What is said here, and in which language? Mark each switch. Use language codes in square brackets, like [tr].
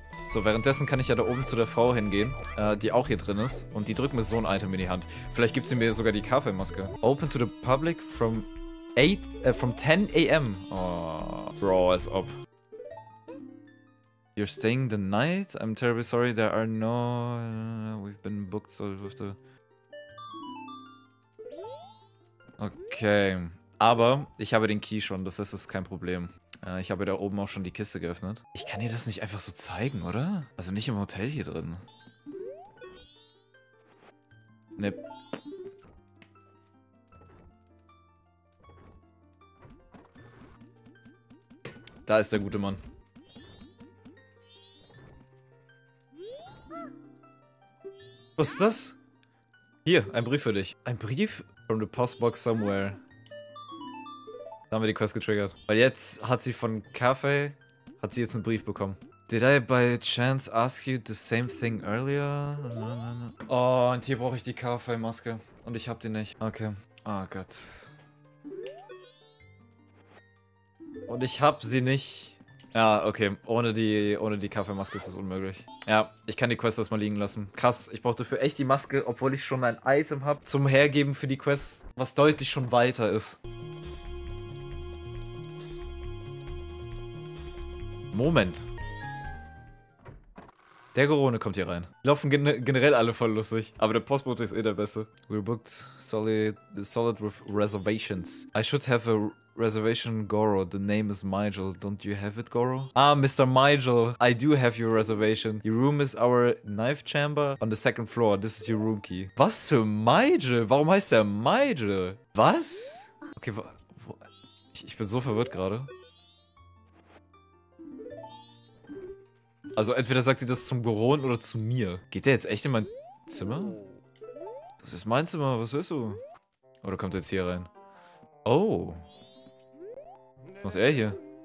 [de] So, währenddessen kann ich ja da oben zu der Frau hingehen, die auch hier drin ist. Und die drückt mir so ein Item in die Hand. Vielleicht gibt sie mir sogar die Kaffeemaske. [en] Open to the public from 10 a.m. Oh, bro, [de] as ob. [en] You're staying the night? I'm terribly sorry, there are no... We've been booked, so we have to... Okay. [de] Aber ich habe den Key schon, das heißt, das ist kein Problem. Ich habe da oben auch schon die Kiste geöffnet. Ich kann dir das nicht einfach so zeigen, oder? Also nicht im Hotel hier drin. Nee. Da ist der gute Mann. Was ist das? Hier, ein Brief für dich. Ein Brief? [en] From the postbox somewhere. [de] Da haben wir die Quest getriggert. Weil jetzt hat sie von Cafe, hat sie jetzt einen Brief bekommen. [en] Did I by chance ask you the same thing earlier? [de] Oh, und hier brauche ich die Cafe-Maske. Und ich habe die nicht. Okay. Oh Gott. Und ich habe sie nicht. Ja, okay. Ohne die Kaffeemaske ist das unmöglich. Ja, ich kann die Quest erstmal liegen lassen. Krass, ich brauche dafür echt die Maske, obwohl ich schon ein Item habe zum Hergeben für die Quest, was deutlich schon weiter ist. Moment. Der Gorone kommt hier rein. Die laufen generell alle voll lustig. Aber der Postbote ist eh der Beste. [en] We're booked solid with reservations. I should have a... Reservation Goro, the name is Nigel. Don't you have it, Goro? Ah, Mr. Nigel, I do have your reservation. Your room is our knife chamber on the second floor. This is your room key. [de] Was für Nigel? Warum heißt der Nigel? Was? Okay, ich bin so verwirrt gerade. Also entweder sagt sie das zum Goron oder zu mir. Geht der jetzt echt in mein Zimmer? Das ist mein Zimmer, was willst du? Oder kommt er jetzt hier rein? Oh. Was ist er hier?